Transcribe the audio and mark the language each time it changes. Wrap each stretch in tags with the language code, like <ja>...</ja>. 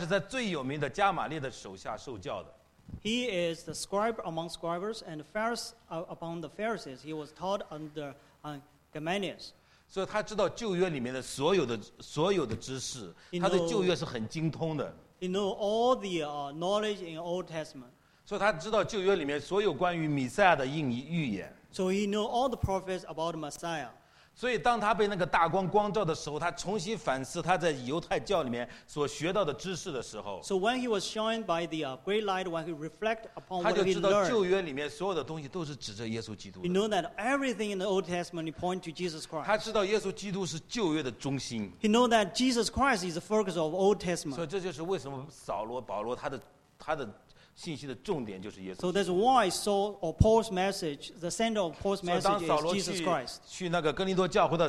<zh>扫罗是维士当中的维士，是法利赛人当中的法利赛人。他是在最有名的加玛列的手下受教的。</zh> <en>He is the scribe among scribes and the Pharisee among the Pharisees. He was taught under Gamaliel.</en> <zh>所以他知道旧约里面的所有的知识，他对旧约是很精通的。</zh> <en>He know all the knowledge in Old Testament.</en> <zh>所以他知道旧约里面所有关于弥赛亚的预言。</zh> <en>So he know all the prophets about Messiah.</en> <zh>所以当他被那个大光光照的时候，他重新反思他在犹太教里面所学到的知识的时候。</zh> <en>So when he was shined by the great light, when he reflect upon what he learned,</en> <zh>他就知道旧约里面所有的东西都是指着耶稣基督。</zh> <en>He know that everything in the Old Testament point to Jesus Christ.</en> <zh>他知道耶稣基督是旧约的中心。</zh> <en>He know that Jesus Christ is the focus of Old Testament.</en> <zh>所以这就是为什么保罗他的。</zh> <en>So that's why Saul or Paul's message, the center of Paul's message is Jesus Christ.</en>